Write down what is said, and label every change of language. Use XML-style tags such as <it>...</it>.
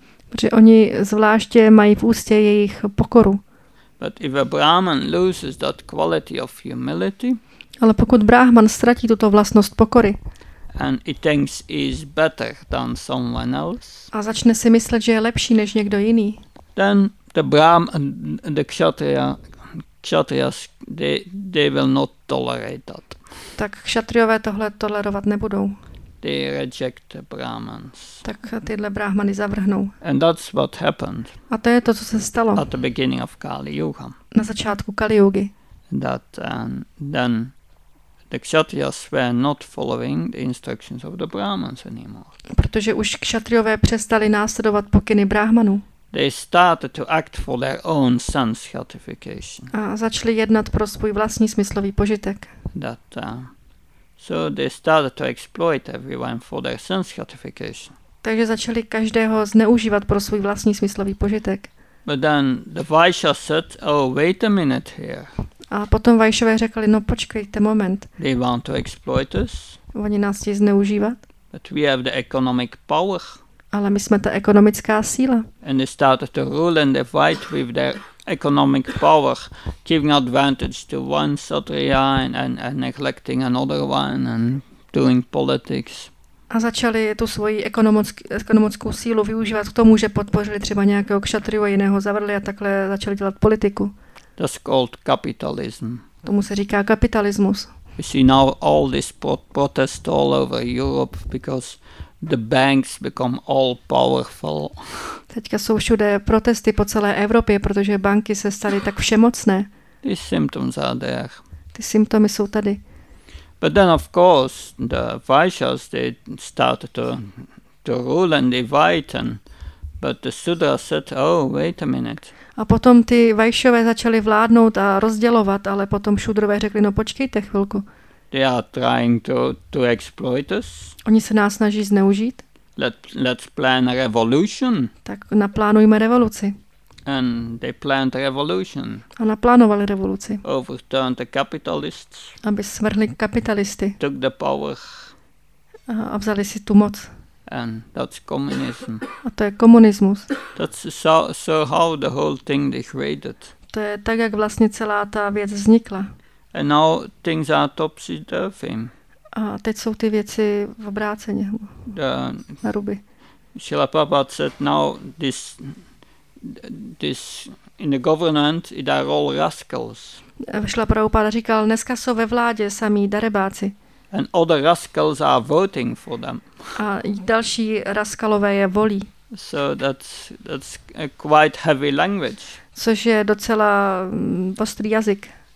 <cs>Protože oni zvláště mají v úctě jejich pokoru.</cs> <en>But if a Brahman loses that quality of humility,</en> <cs>ale pokud Brahman ztratí tuto vlastnost pokory,</cs> <en>and he thinks he's better than someone else,</en> <cs>a začne si myslet, že je lepší než někdo jiný,</cs> <en>then the Kshatriyas, they will not tolerate that.</en> <cs>Tak Kshatriyové tohle tolerovat nebudou.</cs> <en>They reject the Brahmans.</en> <cs>Tak tyhle Brahmany zavrhnou.</cs> <en>And that's what happened.</en> <cs>A to je to, co se stalo.</cs> <en>At the beginning of Kali Yuga.</en> <cs>Na začátku Kali Yugi.</cs> <en>That then the Kshatriyas were not following the instructions of the Brahmans anymore.</en> <cs>Protože už Kshatriyové přestali následovat pokyny Brahmanů.</cs> <en>They started to act for their own sense gratification.</en> <cs>A začali jednat pro svůj vlastní smyslový požitek.</cs> <en>That so they started to exploit everyone for their sense gratification.</en> <cs>Takže začali každého zneužívat pro svůj vlastní smyslový požitek.</cs> <en>But then the Vaishya said, oh, wait a minute here.</en> <cs>A potom Vaishyové řekli, no počkejte moment.</cs> <en>They want to exploit us.</en> <cs>Oni nás chtějí zneužívat.</cs> <en>But we have the economic power.</en> <cs>Ale my jsme ta ekonomická síla.</cs> <en>And they started to rule and they fight with their economic power, giving advantage to one Kshatriya and neglecting another one and doing politics.</en> <cs>A začali tu svoji ekonomickou sílu využívat k tomu, že podpořili třeba nějakého kšatriu a jiného zavrli a takhle začali dělat politiku.</cs> <en>That's called capitalism.</en> <cs>Tomu se říká kapitalismus.</cs> <en>You see now all this protest all over Europe because The banks become all powerful.</en> <cs>Teďka jsou všude protesty po celé Evropě, protože banky se staly tak všemocné.</cs> <en>These symptoms are there.</en> <cs>Ty symptomy jsou tady.</cs> <en>But then of course the Vaishyas they start to rule and divide and but the Sudra said, oh, wait a minute.</en> <cs>A potom ty Vaishyové začaly vládnout a rozdělovat, ale potom Šudrové řekli, no počkejte chvilku.</cs> <en>They are trying to exploit us.</en> <cs>Oni se nás snaží zneužít.</cs> <en>Let's plan a revolution.</en> <cs>Tak naplánujme revoluci.</cs> <en>And they planned a revolution.</en> <cs>A naplánovali revoluci.</cs> <en>Overturned the capitalists.</en> <cs>Aby svrhli kapitalisty.</cs> <en>Took the power.</en> <cs>A vzali si tu moc.</cs> <en>And that's communism.</en> <cs>A to je komunismus.</cs> <en>That's so how the whole thing they created.</en> <cs>To je tak, jak vlastně celá ta věc vznikla.</cs> <en>And now things are topsy-turvy.</en> <cs>A teď jsou ty věci v obráceně. Na ruby.</cs> <en>Srila Prabhupada said now this in the government it are all rascals.</en> <cs>Srila Prabhupada říkal, dneska jsou ve vládě samí darebáci.</cs> <en>And other rascals are voting for them.</en> <cs>A další raskalové je volí.</cs> <en>So that's a quite heavy language.</en> <cs>Což je docela ostrý jazyk.</cs>